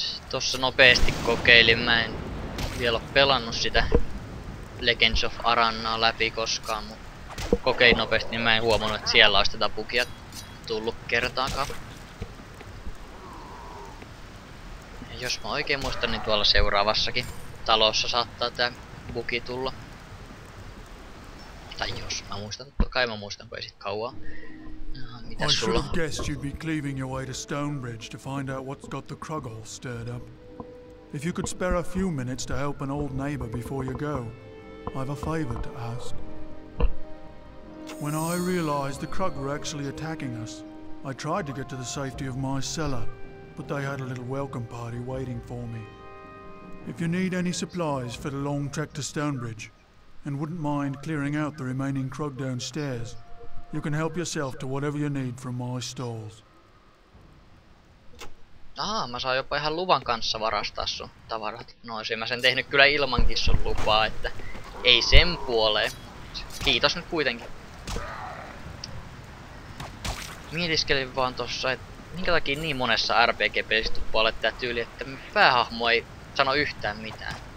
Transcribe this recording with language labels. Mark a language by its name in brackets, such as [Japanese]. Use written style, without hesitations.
[Finnish] Tossa nopeasti kokeilin, mä en vielä ole pelannut sitä Legends of Arannaa läpi koskaan, mutta kokein nopeasti, niin mä en huomannut, että siellä olisi tätä bugia tullut kertaakaan. Jos mä oikein muistan, niin tuolla seuraavassakin talossa saattaa tää bugi tulla. Tai jos mä muistan, kai mä muistan, kun ei sit kauaa. Mitäs sulla? [English] I should have guessed you'd be cleaving your way to Stoneridge to find out what's got the Krughol stirred up. If you could spare a few minutes to help an old neighbor before you go, I've a favor to ask. When I realized the Krug were actually attacking us, I tried to get to the safety of my cellar. But they had a little welcome party waiting for me. If you need any supplies for the long trek to Stonebridge, and wouldn't mind clearing out the remaining Krug downstairs, you can help yourself to whatever you need from my stalls. [Finnish] Ah, mä saan jopa ihan luvan kanssa varastaa sun tavarat. No, olisin mä sen tehnyt kyllä ilmankin sun lupaa, että ei sen puoleen. Kiitos nyt kuitenkin. Mietiskelin vaan tossa, että minkä takia niin monessa RPG-pelissä tuppaa olla tää tyyli, että päähahmo ei sano yhtään mitään.